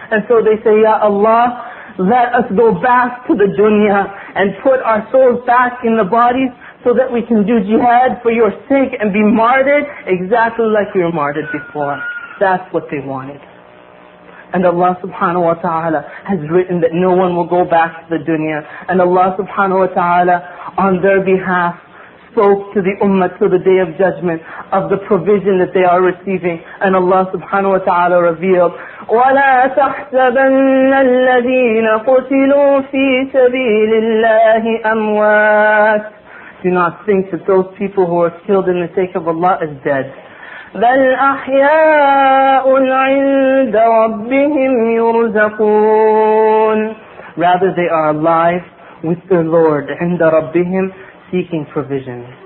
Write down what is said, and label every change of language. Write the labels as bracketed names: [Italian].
[English] And so they say, Ya Allah, let us go back to the dunya and put our souls back in the bodies so that we can do jihad for your sake and be martyred exactly like you were martyred before. That's what they wanted. And Allah subhanahu wa ta'ala has written that no one will go back to the dunya. And Allah subhanahu wa ta'ala on their behalf spoke to the ummah till the day of judgment of the provision that they are receiving. And Allah subhanahu wa ta'ala revealed, [Arabic] وَلَا تَحْسَبَنَّ الَّذِينَ قُتِلُوا فِي سَبِيلِ اللَّهِ أَمْوَاتٍ. [English] Do not think that those people who are killed in the sake of Allah is dead. [Arabic] بَلْ أَحْيَاءٌ عِنْدَ رَبِّهِمْ يُرْزَقُونَ. [English] Rather they are alive with their Lord, [Arabic] عِنْدَ رَبِّهِمْ, [English] seeking provision.